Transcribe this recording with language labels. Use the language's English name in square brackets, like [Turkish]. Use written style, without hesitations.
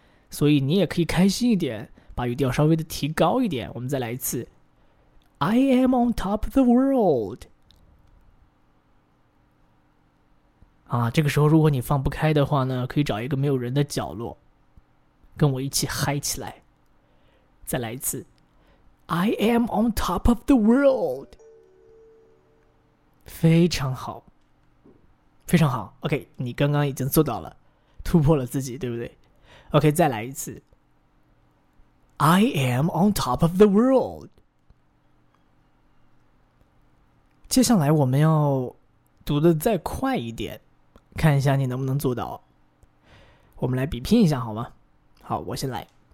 [Chinese] 所以你也可以开心一点，把语调稍微的提高一点。我们再来一次。 [English] I am on top of the world. [Chinese] 啊，这个时候如果你放不开的话呢，可以找一个没有人的角落，跟我一起嗨起来。再来一次 ， [English] I am on top of the world， [Chinese] 非常好，非常好。 OK， 你刚刚已经做到了，突破了自己，对不对 ？OK， 再来一次 ， [English] I am on top of the world。 [Chinese] 接下来我们要读的再快一点。看一下你能不能做到。我们来比拼一下好吗？好，我先来。